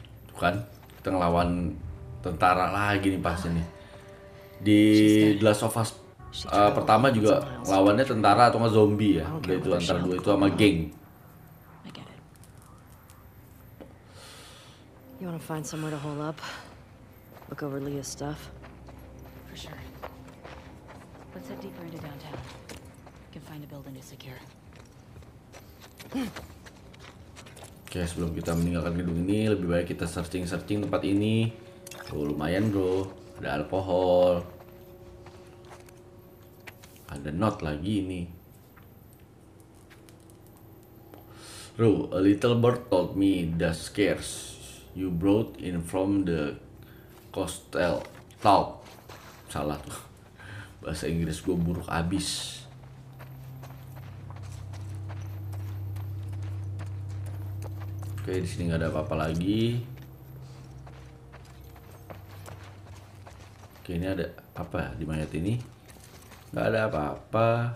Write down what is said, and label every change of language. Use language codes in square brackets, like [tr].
[id] Tuh kan, kita ngelawan tentara lagi nih pas ini. Di The Last of Us pertama juga lawannya tentara atau nggak zombie ya. Udah itu antara dua itu sama geng. [en] I get it. You wanna find somewhere to hold up? Look over Leah's stuff. Sure. Let's head deeper into downtown. We can find a building to secure. [id] Oke, sebelum kita meninggalkan gedung ini, lebih baik kita searching tempat ini. Oh, lumayan, bro. Ada alkohol. Ada note lagi ini. [en] Bro, a little bird told me the scares you brought in from the coastal town. [id] Salah tuh, bahasa Inggris gue buruk abis. Oke, di sini nggak ada apa-apa lagi. Oke, ini ada apa di mayat ini? Nggak ada apa-apa.